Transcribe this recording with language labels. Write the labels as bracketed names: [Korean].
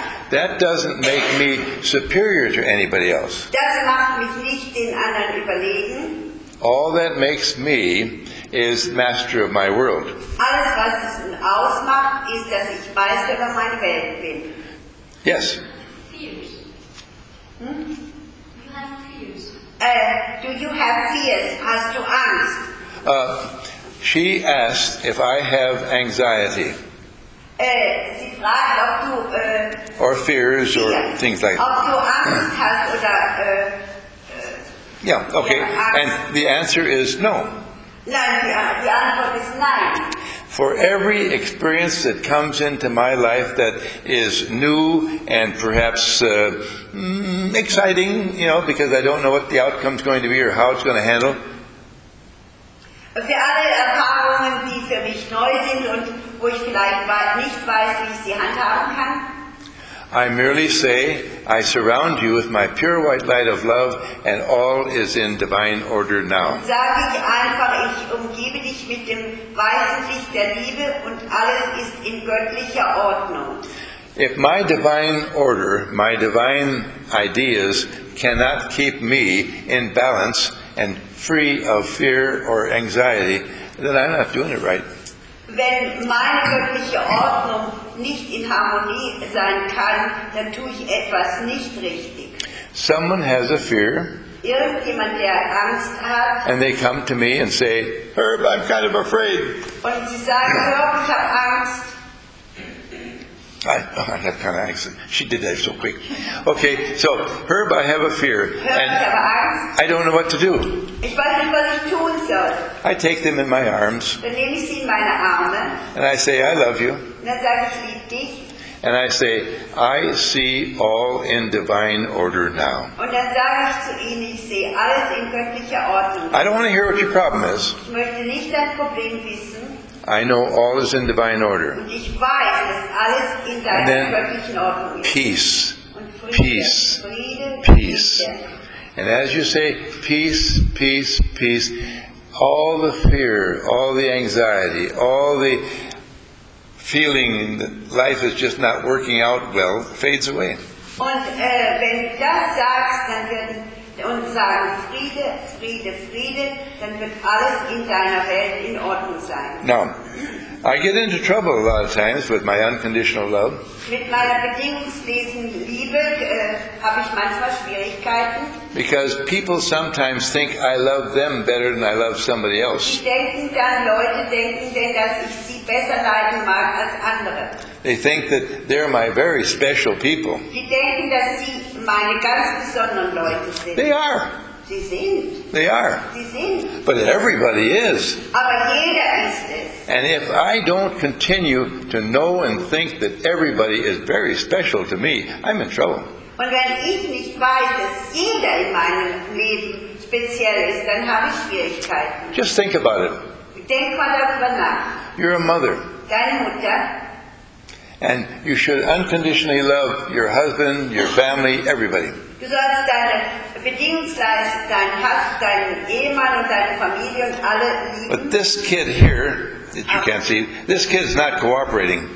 [English] that doesn't make me superior to anybody else. [German] Das macht mich nicht den anderen überlegen. [English] All that makes me is master of my world. [German] Alles, was es ausmacht, ist, dass ich Meister über meine Welt bin. [English] Yes. Fears. Hmm? You have fears. Do you have fears? [German] Hast du Angst? [English] She asked if I have anxiety. [German] sie fragen, ob du, [English] or fears or things like that. [German] Ob du Angst hast oder, [English] yeah, okay. And the answer is no. [German] Nein, die Antwort ist nein. [English] For every experience that comes into my life that is new and perhaps exciting, you know, because I don't know what the outcome is going to be or how it's going to handle. [German] Für alle Erfahrungen, die für mich neu sind und wo ich vielleicht nicht weiß, wie ich sie handhaben kann. [English] I merely say, I surround you with my pure white light of love, and all is in divine order now. [German] Sage ich einfach, ich umgebe dich mit dem weißen Licht der Liebe, und alles ist in göttlicher Ordnung. [English] If my divine order, my divine ideas, cannot keep me in balance and free of fear or anxiety, then I'm not doing it right. [German] Wenn meine göttliche Ordnung nicht in Harmonie sein kann, dann tue ich etwas nicht richtig. [English] Someone has a fear. [German] Irgendjemand, der Angst hat. [English] And they come to me and say, Herb, I'm kind of afraid. [German] Und sie sagen, Herb, ich habe Angst. [English] I have kind of accent. She did that so quick. Okay, so, Herb, I have a fear. And I don't know what to do. [German] Ich weiß nicht, was ich tun soll. [English] I take them in my arms. [German] Dann nehme ich sie in meine Arme. [English] And I say, I love you. [German] Dann sage ich, lieb dich. [English] And I say, I see all in divine order now. [German] Und dann sage ich zu ihnen, ich sehe alles in göttlicher Ordnung. [English] I don't want to hear what your problem is. [German] Ich möchte nicht dein Problem wissen. [English] I know all is in divine order. [German] Und ich weiß, dass alles in deiner [English] and then, [German] göttlichen Ordnung ist. [English] Peace. Peace. Peace. And as you say, peace, peace, peace, all the fear, all the anxiety, all the feeling that life is just not working out well, fades away. [German] Und wenn du das sagst, dann werden, und sagen Friede, Friede, Friede, dann wird alles in deiner Welt in Ordnung sein. [English] Now, I get into trouble a lot of times with my unconditional love. [German] Mit meiner bedingungslosen Liebe habe ich manchmal Schwierigkeiten. [English] Because people sometimes think I love them better than I love somebody else. [German] Sie denken dann, Leute denken denn, dass ich sie besser leiden mag als andere. [English] They think that they're my very special people. [German] Sie denken, dass sie meine ganz besonderen Leute sind. [English] They are. [German] Sie sind. [English] They are. [German] Sie sind. [English] But everybody is. [German] Aber jeder ist es. [English] And if I don't continue to know and think that everybody is very special to me, I'm in trouble. [German] Und wenn ich nicht weiß, dass jeder in meinem Leben speziell ist, dann habe ich Schwierigkeiten. [English] Just think about it. [German] Denk mal darüber nach. [English] You're a mother. [German] Deine Mutter. [English] And you should unconditionally love your husband, your family, everybody. [German] Du sollst deine bedingungslos dein Hass, deinen Ehemann und deine Familie und alle lieben. [English] But this kid here, that you can't see, this kid's not cooperating.